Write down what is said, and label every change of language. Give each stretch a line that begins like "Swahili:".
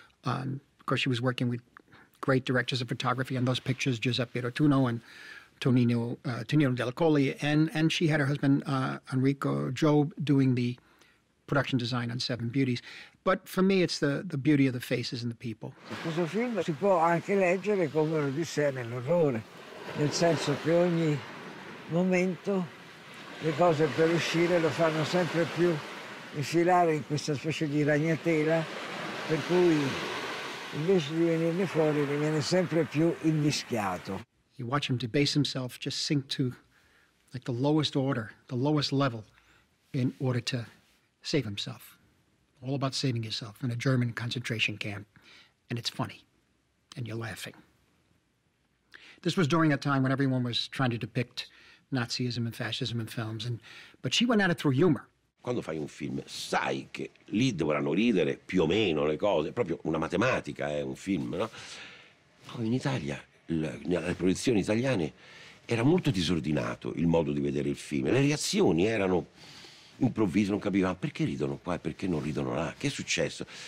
English: Of course, she was working with great directors of photography on those pictures, Giuseppe Rotuno and Tonino Della Colli, and she had her husband, Enrico Job, doing the production design on Seven Beauties. But for me, it's the beauty of the faces and the people.
Italian: Questo film si può anche leggere come un'odissea nell'orrore, nel senso che ogni momento le cose per uscire lo fanno sempre più infilare in questa specie di ragnatela, per cui invece di venirne fuori rimane sempre più invischiato.
English: You watch him debase himself, just sink to like the lowest order, the lowest level, in order to save himself. All about saving yourself in a German concentration camp. And it's funny. And you're laughing. This was during a time when everyone was trying to depict Nazism and fascism in films, and but she went at it through humor.
Italian: Quando fai un film, sai che lì dovranno ridere più o meno le cose. È proprio una matematica, è un film, no? In Italia, nelle produzioni italiane, era molto disordinato il modo di vedere il film. Le reazioni erano improvviso, non capiva perché ridono qua e perché non ridono là, che è successo?